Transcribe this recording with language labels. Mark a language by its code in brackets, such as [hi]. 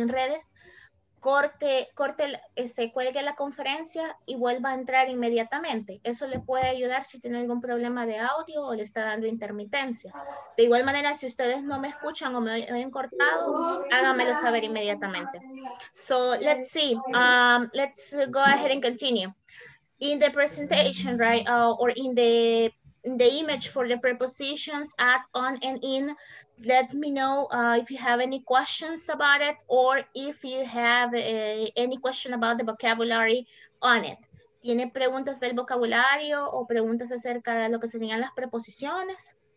[es] En redes, cuelgue la conferencia y vuelva a entrar inmediatamente. Eso le puede ayudar si tiene algún problema de audio o le está dando intermitencia. De igual manera, si ustedes no me escuchan o me han cortado, háganmelo saber inmediatamente. [en] So, let's see. Let's go ahead and continue. In the presentation, right, or in the image for the prepositions at, on, and in, let me know if you have any questions about it or if you have any question about the vocabulary on it. [es] ¿Tiene preguntas del vocabulario o preguntas acerca de lo que serían las preposiciones?